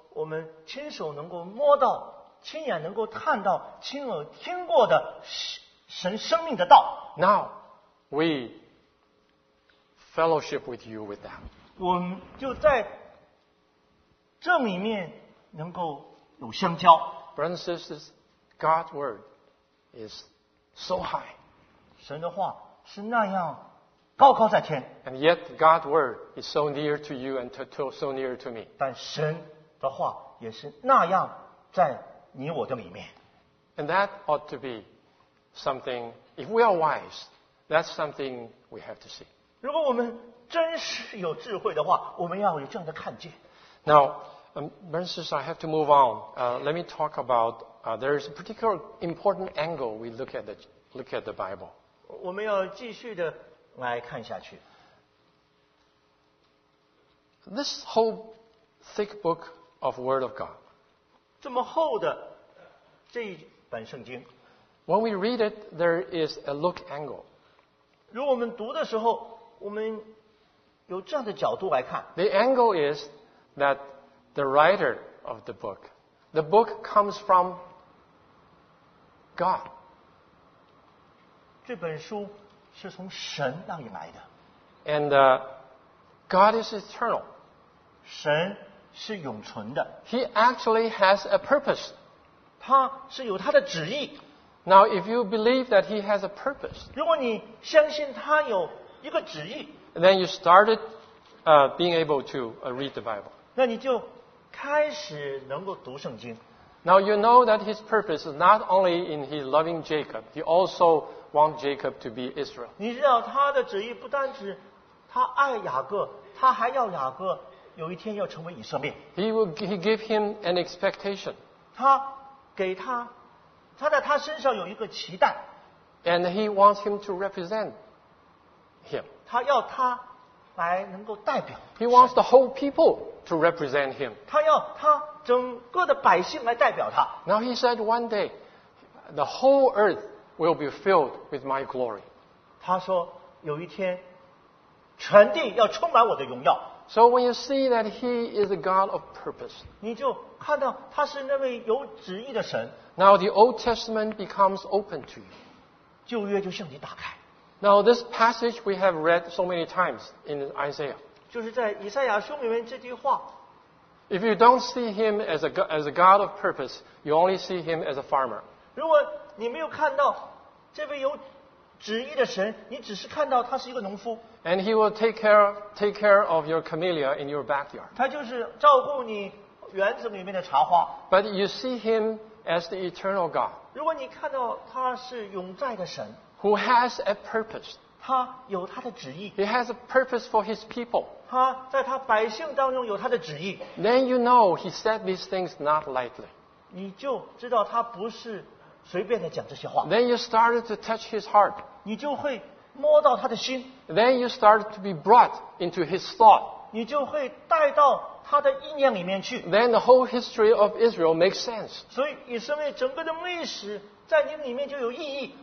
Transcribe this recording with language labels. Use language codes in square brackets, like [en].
[zh] 我们亲手能够摸到，亲眼能够看到，亲耳听过的神生命的道。 [en] Now we fellowship with you with them. [zh] 我们就在这里面能够有相交。 [en] Brothers and sisters, God's word is so high. [zh] 神的话是那样高高在天。 [en] And yet God's word is so near to you and to so near to me. [zh] 但神的话也是那样在你我的里面。 [en] And that ought to be something, if we are wise, that's something we have to see. [zh] 如果我们真是有智慧的话，我们要有这样的看见。 [en] Now, Francis, I have to move on. Let me talk about, there is a particular important angle we look at the Bible. [zh] 我们要继续的来看下去。 [en] This whole thick book of Word of God. [zh] 这么厚的这一本圣经。 [en] When we read it, there is a look angle. [zh] 如果我们读的时候，我们有这样的角度来看。 [en] The angle is that the writer of the book comes from God. [zh] 这本书是从神那里来的。 [en] And God is eternal. [zh] 神是永存的。 [en] He actually has a purpose. [zh] 他是有他的旨意。 [en] Now, if you believe that he has a purpose, [zh] 如果你相信他有一个旨意, [en] then you started being able to read the Bible. [zh] 那你就开始能够读圣经。 [en] Now, you know that his purpose is not only in his loving Jacob, he also wants Jacob to be Israel. [zh] 你知道他的旨意不单只他爱雅各，他还要雅各有一天要成为以色列。 [en] He gave him an expectation. [zh] 他给他他在他身上有一个期待。 [en] And he wants him to represent him. [zh] 他要他来能够代表。 [en] He wants the whole people to represent him. [zh] 他要他整个的百姓来代表他。 [en] Now he said one day, the whole earth will be filled with my glory. [zh] 他说有一天全地要充满我的荣耀。 [en] So when you see that he is a God of purpose, [zh] 你就看到他是那位有旨意的神。 [en] Now the Old Testament becomes open to you. [zh] 旧约就向你打开。 [en] Now this passage we have read so many times in Isaiah. [zh] 就是在以赛亚书里面这句话。 [en] If you don't see him as a God of purpose, you only see him as a farmer. [zh] 如果你没有看到这位有旨意的神，你只是看到他是一个农夫。 [en] And he will take care of your camellia in your backyard. [zh] 他就是照顾你园子里面的茶花。 [en] But you see him as the eternal God. [zh] 如果你看到他是永在的神， [en] who has a purpose. [zh] 他有他的旨意。 [en] He has a purpose for his people. [zh] 他在他百姓当中有他的旨意。 [en] Then you know he said these things not lightly. [zh] 你就知道他不是随便的讲这些话。 [en] Then you started to touch his heart. [zh] 你就会摸到他的心。 [en] Then you started to be brought into his thought. [zh] 你就会带到他的意念里面去。 [en] Then the whole history of Israel makes sense. [zh] 所以以色列整个的历史在你里面就有意义。